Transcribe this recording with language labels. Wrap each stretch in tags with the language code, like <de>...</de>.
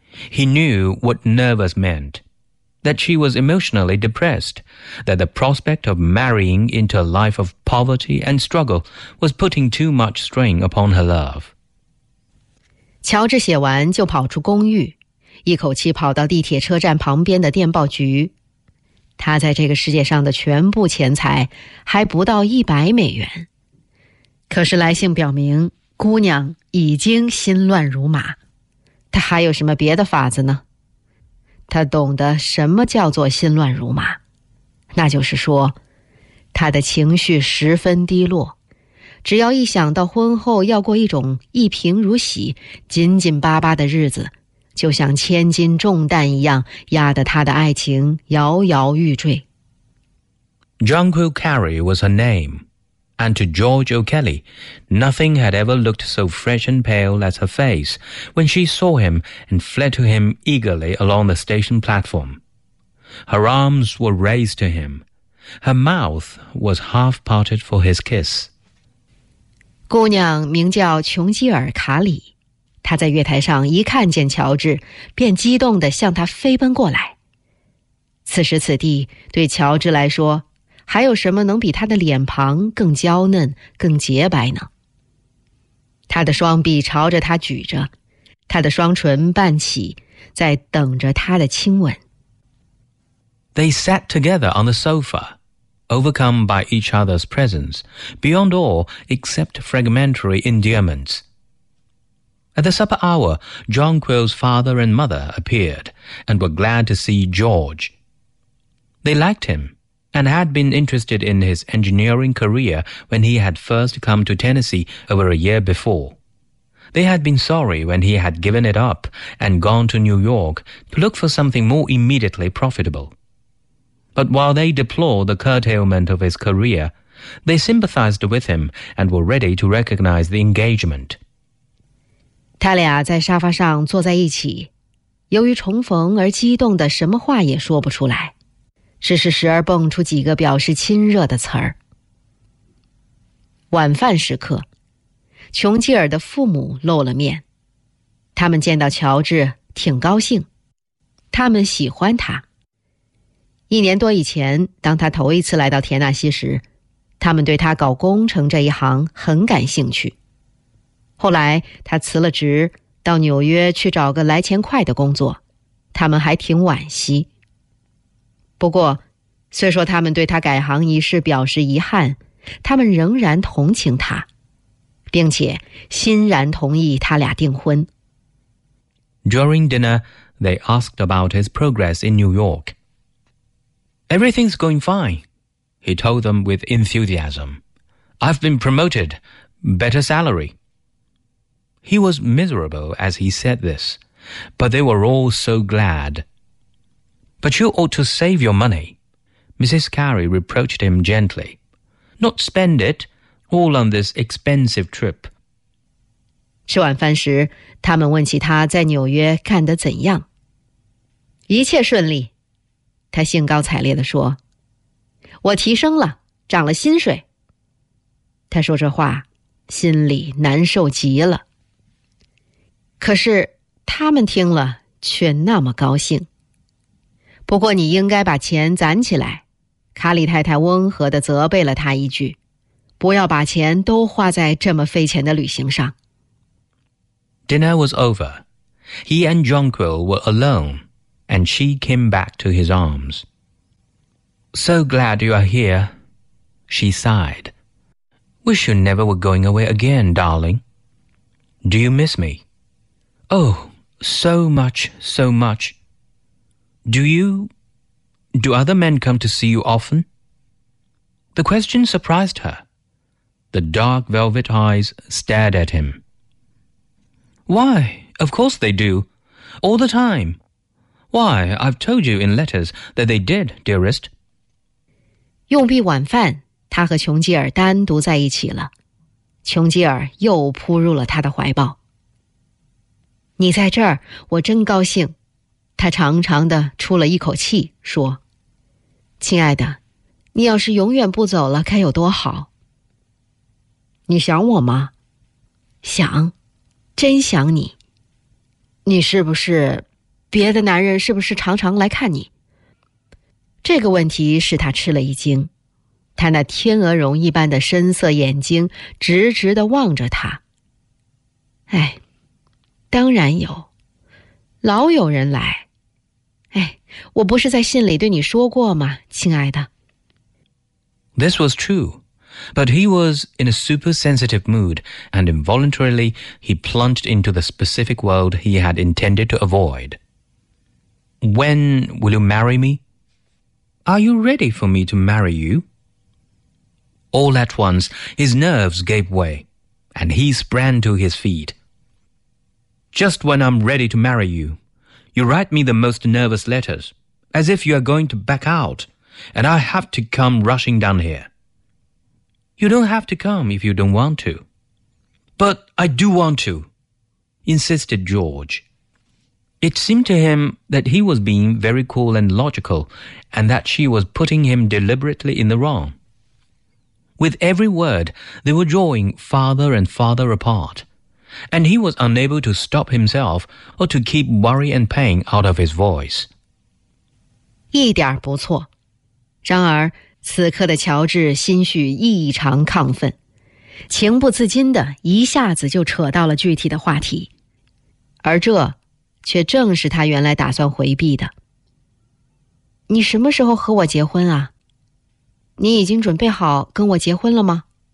<en>He knew what nervous meant, that she was emotionally depressed, that the prospect of marrying into a life of poverty and struggle was putting too much strain upon her love.</en> <zh>乔治写完就跑出公寓，一口气跑到地铁车站旁边的电报局。他在这个世界上的全部钱财还不到$100，可是来信表明姑娘已经心乱如麻，他还有什么别的法子呢？他懂得什么叫做心乱如麻，那就是说他的情绪十分低落，只要一想到婚后要过一种一贫如洗紧紧巴巴的日子，就像千斤重担一样压得他的爱情摇摇欲坠。</zh> <en>Jonquil Carey was her name, and to George O'Kelly, nothing had ever looked so fresh and pale as her face when she saw him and fled to him eagerly along the station platform. Her arms were raised to him. Her mouth was half parted for his kiss.</en> <zh>姑娘名叫琼基尔·卡里，她在月台上一看见乔治，便激动地向他飞奔过来。此时此地，对乔治来说，还有什么能比他的脸庞更娇嫩、更洁白呢？他的双臂朝着他举着，他的双唇半起，在等着他的亲吻。</zh> <en>They sat together on the sofa, overcome by each other's presence, beyond all except fragmentary endearments. At the supper hour, Jonquil's father and mother appeared and were glad to see George. They liked him and had been interested in his engineering career when he had first come to Tennessee over a year before. They had been sorry when he had given it up and gone to New York to look for something more immediately profitable. But while they deplored the curtailment of his career, they sympathized with him and were ready to recognize the engagement.</en> <zh>他俩在沙发上坐在一起，由于重逢而激动的什么话也说不出来，只是时而蹦出几个表示亲热的词儿。晚饭时刻，琼基尔的父母露了面，他们见到乔治挺高兴，他们喜欢他。一年多以前，当他头一次来到田纳西时，他们对他搞工程这一行很感兴趣。后来他辞了职，到纽约去找个来钱快的工作，他们还挺惋惜。不过，虽说他们对他改行一事表示遗憾，他们仍然同情他，并且欣然同意他俩订婚。</zh> <en>During dinner, they asked about his progress in New York. Everything's going fine, he told them with enthusiasm. I've been promoted, better salary. He was miserable as he said this, but they were all so glad. But you ought to save your money, Mrs. Carey reproached him gently. Not spend it, all on this expensive trip.</en> <zh>吃晚饭时，他们问起他在纽约干得怎样。一切顺利。他兴高采烈地说，我提升了，涨了薪水。他说这话，心里难受极了。可是他们听了却那么高兴。不过你应该把钱攒起来，卡里太太温和地责备了他一句，不要把钱都花在这么费钱的旅行上。</zh> <en>Dinner was over. He and Jonquil were alone. And she came back to his arms. So glad you are here, she sighed. Wish you never were going away again, darling. Do you miss me? Oh, so much, so much. Do other men come to see you often? The question surprised her. The dark velvet eyes stared at him. Why, of course they do. All the time. Why, I've told you in letters that they did, dearest.</en> <zh>用毕晚饭，他和琼基尔单独在一起了。琼基尔又扑入了他的怀抱。你在这儿，我真高兴。他长长地出了一口气，说：亲爱的，你要是永远不走了，该有多好。你想我吗？想，真想你。你是不是……别的男人是不是常常来看你？这个问题使他吃了一惊，他那天鹅绒一般的深色眼睛直直地望着他。哎，当然有，老有人来。哎，我不是在信里对你说过吗，亲爱的？</zh> <en>This was true, but he was in a super sensitive mood, and involuntarily he plunged into the specific world he had intended to avoid. When will you marry me? Are you ready for me to marry you? All at once, his nerves gave way, and he sprang to his feet. Just when I'm ready to marry you, you write me the most nervous letters, as if you are going to back out, and I have to come rushing down here. You don't have to come if you don't want to. But I do want to, insisted George. It seemed to him that he was being very cool and logical, and that she was putting him deliberately in the wrong. With every word, they were drawing farther and farther apart, and he was unable to stop himself or to keep worry and pain out of his voice.</en> <zh>一点不错。然而此刻的乔治心绪异常亢奋，情不自禁地一下子就扯到了具体的话题，而这却正是他原来打算回避的。你什么时候和我结婚啊？你已经准备好跟我结婚了吗？</zh>